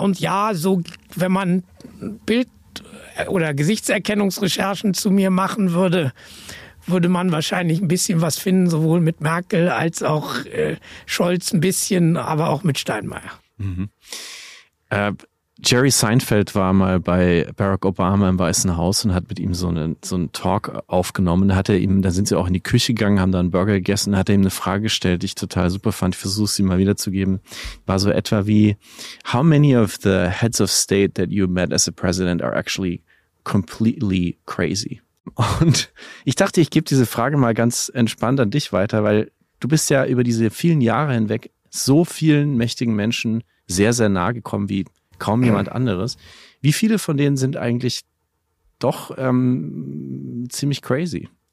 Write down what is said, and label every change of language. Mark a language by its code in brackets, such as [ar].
[de] Und ja, so, wenn man Bild oder Gesichtserkennungsrecherchen zu mir machen würde, würde man wahrscheinlich ein bisschen was finden, sowohl mit Merkel als auch Scholz ein bisschen, aber auch mit Steinmeier. Mhm. Jerry Seinfeld war mal bei Barack Obama im Weißen Haus und hat mit ihm so einen Talk aufgenommen. Da sind sie auch in die Küche gegangen, haben da einen Burger gegessen, hat er ihm eine Frage gestellt, die ich total super fand. Ich versuche sie mal wiederzugeben. War so etwa wie: [en] How many of the heads of state that you met as a president are actually completely crazy? [de] Und ich dachte, ich gebe diese Frage mal ganz entspannt an dich weiter, weil du bist ja über diese vielen Jahre hinweg so vielen mächtigen Menschen sehr, sehr nahe gekommen wie kaum jemand anderes. Wie viele von denen sind eigentlich doch ziemlich crazy?